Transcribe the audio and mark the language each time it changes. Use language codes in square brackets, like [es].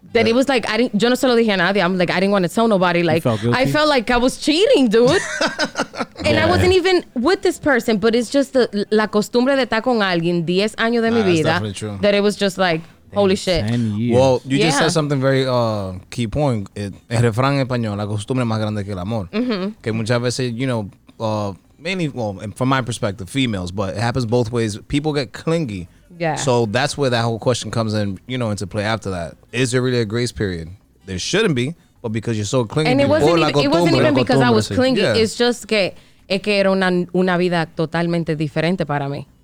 [en] That it was like, I didn't, [es] yo no se lo dije a nadie. [en] I'm like, I didn't want to tell nobody. Like, I felt like I was cheating, dude. And yeah. I wasn't even with this person, but it's just [es] la costumbre de estar con alguien 10 años de mi vida. [en] That's definitely true. That it was just like, holy shit. 10 years. Well, you just said something very key point. [es] El refrán español, la costumbre más grande que el amor. Mm-hmm. Que muchas veces, [en] you know, mainly, well, from my perspective, females, but it happens both ways. People get clingy. Yeah. So that's where that whole question comes in, you know, into play after that. Is there really a grace period? There shouldn't be, but because you're so clingy. And it wasn't even because I was clingy. Yeah. It's just [es] que era una vida totalmente diferente para mí.